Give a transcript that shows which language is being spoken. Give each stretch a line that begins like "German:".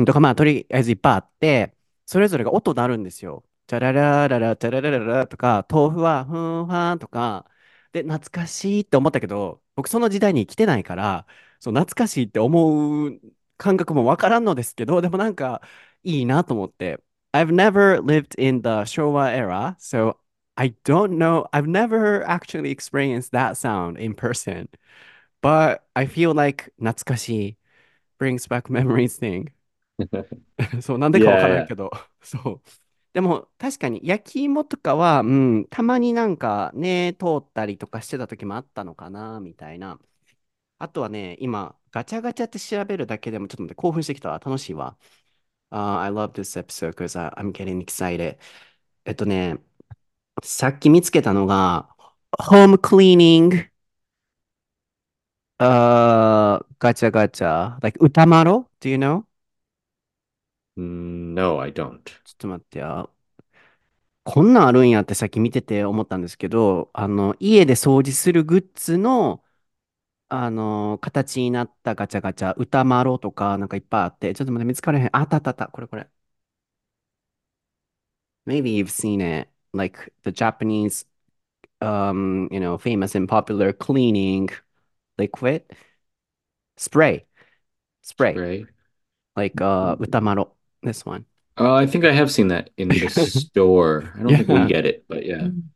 Japanese: んとか、まあ、とりあえずいっぱいあって、それぞれが音鳴るんですよ。チャラララ、チャラララとか、豆腐は、ふんはんとか、で、懐かしいって思ったけど、僕その時代に来てないから、そう、懐かしいって思う感覚もわからんのですけど、でもなんかいいなと思って。
English: I've never lived in the 昭和 era, so I don't know. I've never actually experienced that sound in person. But I feel like 懐かしい brings back memories thing.
Japanese: そう、なんでかわからんけど。そう。でも確かに焼き芋とかは、うん、たまになんかね、通ったりとかしてた時もあったのかな、みたいな。あとはね、今、ガチャガチャって調べるだけでも、ちょっと待って、興奮してきたわ。楽しいわ。
English: I love this episode because I'm getting excited.
Japanese: さっき見つけたのが、ホームクリーニング。
English: ガチャガチャ。Like, 歌マロ？Do you know？ No, I don't.
Japanese: ちょっと待ってよ。こんなんあるんやってさっき見てて思ったんですけど、家で掃除するグッズの、形になったガチャガチャ、歌マロとかなんかいっぱいあって、ちょっと待って、見つからへん。あったあったあった、これこれ。
English: Maybe you've seen it, like the Japanese, famous and popular cleaning liquid spray. Spray. Spray. Like, 歌マロ this one. I think I have seen that in the store. I don't think we get it, but yeah.